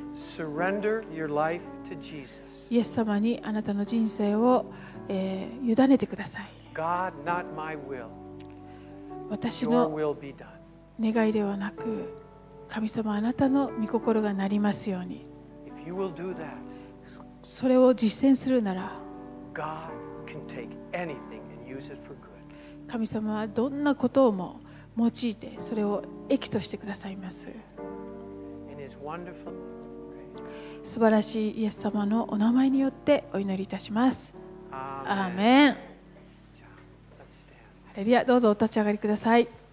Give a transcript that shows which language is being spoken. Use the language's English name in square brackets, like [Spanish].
[English] Surrender your life to Jesus. [Japanese] イエス様にあなたの人生を、委ねてください。 [English] God, not my will. [Japanese] 私の願いではなく、神様あなたの御心がなりますように。 [English] If you will do that, [Japanese] それを実践するなら、 [English] God can take anything and use it for good. [Japanese] 神様はどんなことをも用いてそれを益としてくださいます。 [English] In His wonderful [Japanese] 素晴らしいイエス様のお名前によってお祈りいたします。アーメン。ハレルヤ、どうぞお立ち上がりください。